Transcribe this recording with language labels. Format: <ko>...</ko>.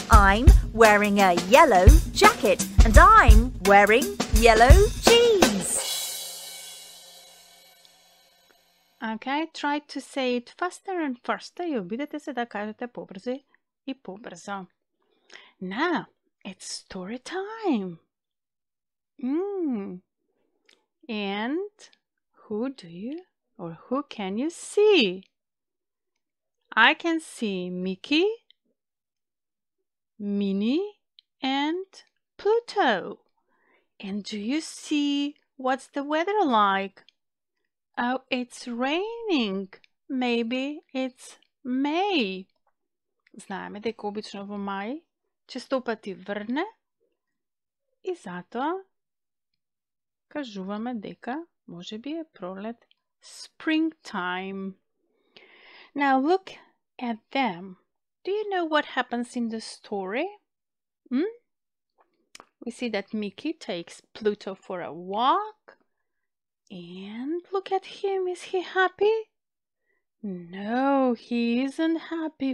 <en>I'm wearing a yellow jacket and I'm wearing yellow jeans. Okay, try to say it faster and faster.</en> <mk>И обидете се да кажете побрзо и побрзо.</mk> <en>Now, it's story time. And who do you or who can you see? I can see Mickey, Minnie, and Pluto. And do you see what's the weather like? Oh, it's raining. Maybe it's May.</en> <mk>Знаеме дека обично во мај честопати врне и затоа кажуваме дека може би е пролет, springtime.</mk> <en>Now look at them. Do you know what happens in the story? We see that Mickey takes Pluto for a walk. And look at him, is he happy? No, he isn't happy.</en>